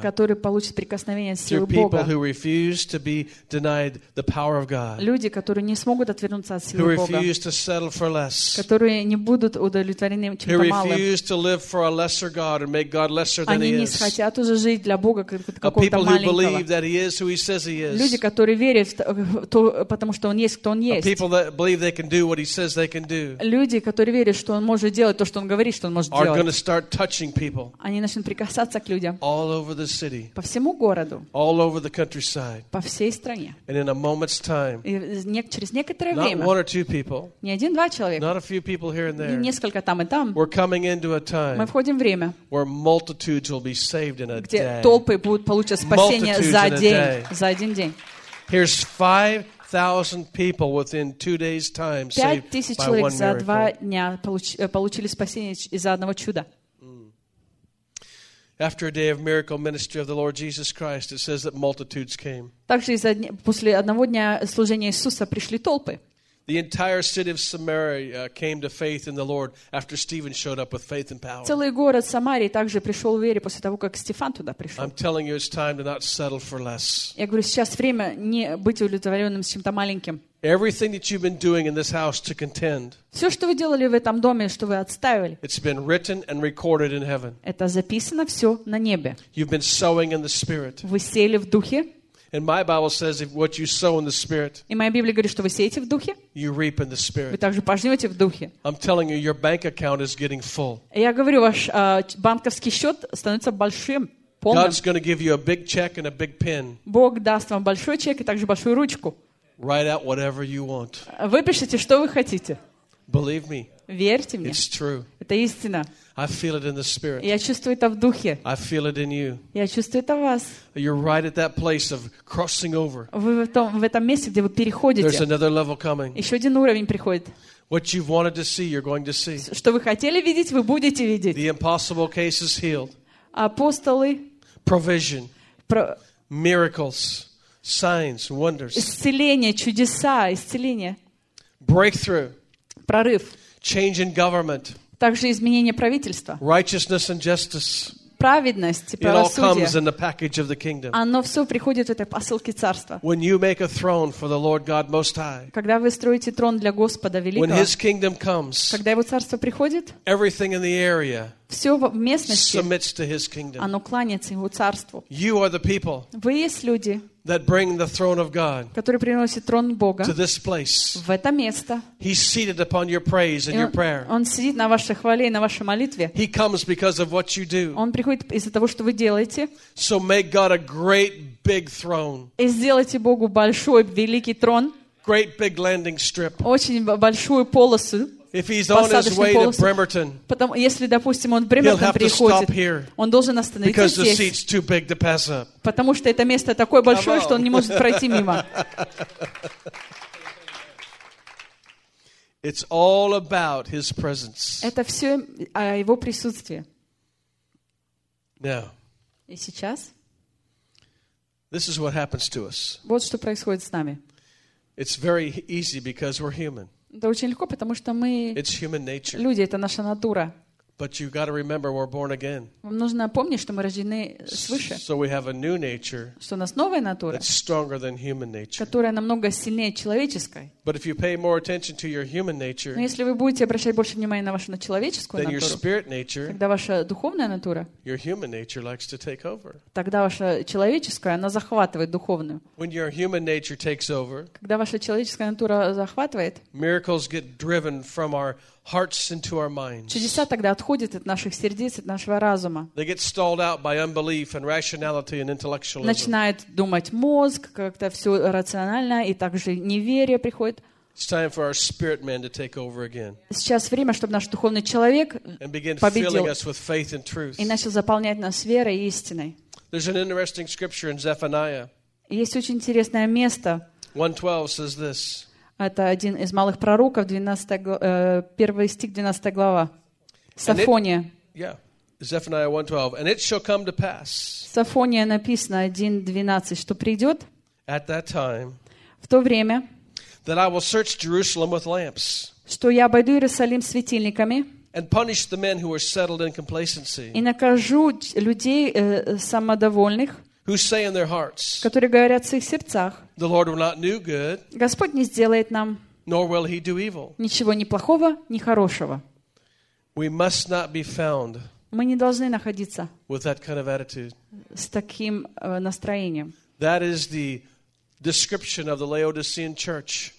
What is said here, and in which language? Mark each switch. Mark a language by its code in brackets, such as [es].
[ru] Которые получат прикосновение силы Бога. [en] People who refuse to be denied the power of God. [ru] Люди, которые не смогут отвернуться от силы Бога. [en] Who refuse to settle for less. [ru] Которые не будут удовлетворены чем-то малым. [en] Who refuse to live for a lesser God and make God lesser than He is. [ru] Они не хотят уже жить для Бога какого-то маленького. [en] People who believe that He is who He says He is. [ru] Люди, которые верят в то, потому что Он есть, кто Он есть. [en] People that believe they can do what He says they can do. [ru] Люди, которые верят, что Он может делать то, что Он говорит, что Он может делать. [en] Are going to start touching people. [ru] Начнут прикасаться к людям [en] all over the city, [ru] по всему городу, [en] all over the countryside, [ru] по всей стране. [en] And in a moment's time, [ru] и через некоторое [en] not [ru] время, [en] one or two people, [ru] не один-два человека, [en] not a few people here and there, [ru] не несколько там и там, [en] we're coming into a time, [ru] мы входим в время, [en] where multitudes will be saved in a [ru] где [en] day. [ru] Толпы будут получать спасение за день, за один день. [en] Here's 5,000 people within 2 days' time saved by one miracle. [ru] Человек за два дня получили спасение из-за одного чуда. [en] After a day of miracle ministry of the Lord Jesus Christ, it says that multitudes came. [ru] Также после одного дня служения Иисуса пришли толпы. [en] The entire city of Samaria came to faith in the Lord after Stephen showed up with faith and power. [ru] Целый город Самарии также пришел в вере после того, как Стефан туда пришел. [en] I'm telling you, it's time to not settle for less. [ru] Я говорю, сейчас время не быть удовлетворенным с чем-то маленьким. [en] Everything that you've been doing in this house to contend. [ru] Все, что вы делали в этом доме, что вы отстаивали. [en] It's been written and recorded in heaven. [ru] Это записано все на небе. [en] You've been sowing in the Spirit. [ru] Вы сеяли в духе. [en] And my Bible says if what you sow in the Spirit. [ru] И моя Библия говорит, что вы сеете в духе. [en] You reap in the Spirit. [ru] Вы также пожнете в духе. [en] I'm telling you, your bank account is getting full. [ru] Я говорю, ваш банковский счет становится большим. Полным. [en] God's going to give you a big check and a big pen. [ru] Бог даст вам большой чек и также большую ручку. [en] Write out whatever you want. [ru] Выпишите, что вы хотите. [en] Believe me. [ru] Верьте мне. [en] It's true. [ru] Это истина. [en] I feel it in the Spirit. [ru] Я чувствую это в духе. [en] I feel it in you. [ru] Я чувствую это в вас. [en] You're right at that place of crossing over. [ru] Вы в этом месте, где вы переходите. [en] There's another level coming. [ru] Еще один уровень приходит. [en] What you've wanted to see, you're going to see. [ru] Что вы хотели видеть, вы будете видеть. [en] The impossible case is healed. [ru] Апостолы. [en] Provision. Miracles. Signs, wonders. [ru] Исцеление, чудеса, исцеление. [en] Breakthrough. [ru] Прорыв. [en] Change in government. [ru] Также изменение правительства. [en] Righteousness and justice. [ru] Праведность и правосудие. [en] It all comes in the package of the kingdom. [ru] Оно все приходит в этой посылке царства. [en] When you make a throne for the Lord God Most High. [ru] Когда вы строите трон для Господа Великого. [en] When His kingdom comes. [ru] Когда Его царство приходит. [en] Everything in the area. [ru] Все в местности. [en] Submits to His kingdom. [ru] Оно кланяется Его царству. [en] You are the people. [ru] Вы есть люди. [en] That bring the throne of God to this place. [ru] В это место. [en] He's seated upon your praise and your prayer. [ru] Он сидит на вашей хвале и на вашей молитве. [en] He comes because of what you do. [ru] Он приходит из-за того, что вы делаете. [en] So make God a great big throne. [ru] И сделайте Богу большой, великий трон. [en] Great big landing strip. [ru] Очень большую полосу. [en] If he's on his way to Bremerton, [ru] если, допустим, он в Бремертон приходит, он должен остановиться здесь. [en] Because the seat's too big to pass up. [ru] Потому что это место такое большое, что он не может пройти мимо. [en] It's all about his presence. [ru] Это все о его присутствии. [en] Now. [ru] И сейчас. [en] This is what happens to us. [ru] Вот что происходит с нами. [en] It's very easy because we're human. [ru] Это очень легко, потому что мы люди, это наша натура. [en] But you've got to remember we're born again. [ru] Вам нужно помнить, что мы рождены свыше. [en] So we have a new nature. [ru] Что у нас новая натура. [en] That's stronger than human nature. [ru] Которая намного сильнее человеческой. [en] But if you pay more attention to your human nature. [ru] Но если вы будете обращать больше внимания на вашу человеческую [en] then [ru] натуру. [en] Then your spirit nature. [ru] Тогда ваша духовная натура. [en] Your human nature likes to take over. [ru] Тогда ваша человеческая, она захватывает духовную. [en] When your human nature takes over. [ru] Когда ваша человеческая натура захватывает. [en] Miracles get driven from our hearts into our minds. [ru] Чудеса тогда отходят от наших сердец, от нашего разума. [en] They get stalled out by unbelief and rationality and intellectualism. [ru] Начинает думать мозг, как-то все рационально, и также неверие приходит. [en] It's time for our spirit man to take over again. [ru] Сейчас время, чтобы наш духовный человек победил. [en] And begin filling us with faith and truth. [ru] И начал заполнять нас верой и истиной. [en] There's an interesting scripture in Zephaniah. [ru] Есть очень интересное место. [en] 1:12 says this. [ru] Это один из малых пророков, 1 стих, 12 глава. Сафония. [en] Zephaniah 1:12. And it shall come to pass. [ru] Сафония написано 1:12, что придет. [en] At that time. [ru] В то время. [en] That I will search Jerusalem with lamps. [ru] Что я обойду Иерусалим светильниками. [en] And punish the men who are settled in complacency. [ru] И накажу людей самодовольных. [en] Who say in their hearts, [ru] которые говорят в своих сердцах, [en] the Lord will not do good, [ru] Господь не сделает нам [en] nor will he do evil. [ru] Ничего ни плохого, ни хорошего. [en] We must not be found [ru] мы не должны находиться [en] with that kind of attitude. [ru] С таким настроением. [en] That is the description of the Laodicean church.